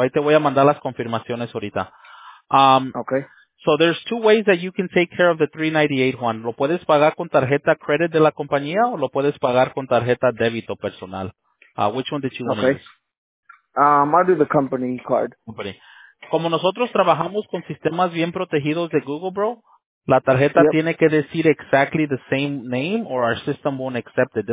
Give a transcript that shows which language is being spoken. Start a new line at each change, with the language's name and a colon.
Spanish: Ahí te voy a mandar las confirmaciones ahorita.
English: Okay. So there's two ways that you can take care of the 398, Juan.
Spanish: ¿Lo puedes pagar con tarjeta credit de la compañía o lo puedes pagar con tarjeta débito personal?
English: Which one did you want to use? I'll do the company card. Company.
Spanish: Como nosotros trabajamos con sistemas bien protegidos de Google, bro, la tarjeta yep. tiene que decir
English: exactly the same name or our system won't accept it.